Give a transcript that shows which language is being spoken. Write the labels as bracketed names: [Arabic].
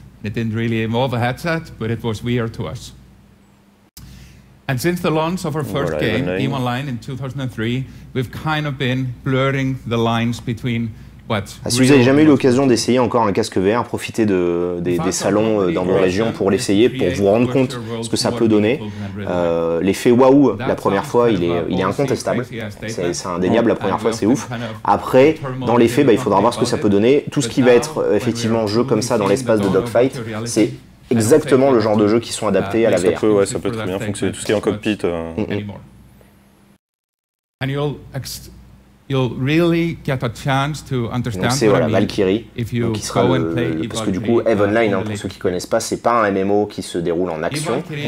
[English] It didn't really involve a headset, but it was VR to us. And since the launch of our first game, Eve Online, in 2003, we've kind of been blurring the lines between what. [French] Si vous n'avez jamais eu l'occasion d'essayer encore un casque VR, profitez des salons dans vos régions pour l'essayer, pour vous rendre compte ce que ça peut donner. L'effet waouh, la première fois, il est incontestable. C'est indéniable, la première fois, c'est ouf. Après, dans les faits, il faudra voir ce que ça peut donner. Tout ce qui va être effectivement jeu comme ça dans l'espace de Dogfight, c'est exactement le genre de jeux qui sont adaptés à la VR. Ça peut très bien fonctionner. Tout ce qui est en cockpit. [English] And you'll really get a chance to understand. [French] Donc c'est voilà, Valkyrie, qui sera parce que du coup, EVE Online, pour ceux qui connaissent pas, c'est pas un MMO qui se déroule en action.